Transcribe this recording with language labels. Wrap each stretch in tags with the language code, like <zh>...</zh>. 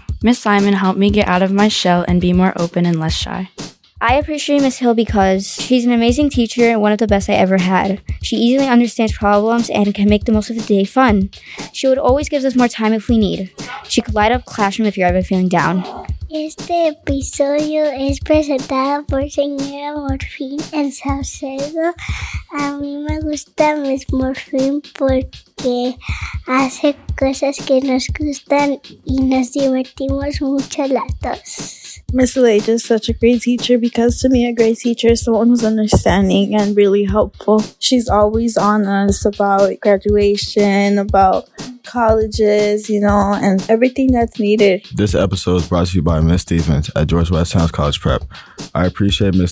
<en>Miss Simon helped me get out of my shell and be more open and less shy. I appreciate Ms. Hill because she's an amazing teacher and one of the best I ever had. She easily understands problems and can make the most of the day fun. She would always give us more time if we need. She could light up classroom if you're ever feeling down.</en> <es>Este episodio es presentado por Señora Morfín en Salcedo. A mí me gusta Ms. Morfín porque hace cosas que nos gustan y nos divertimos mucho las dos.</es> <en>Ms. Leite is such a great teacher because to me a great teacher is someone who's understanding and really helpful. She's always on us about graduation, about colleges, you know, and everything that's needed. This episode is brought to you by Ms. Stevens at George Westtown's College Prep. I appreciate Ms.</en>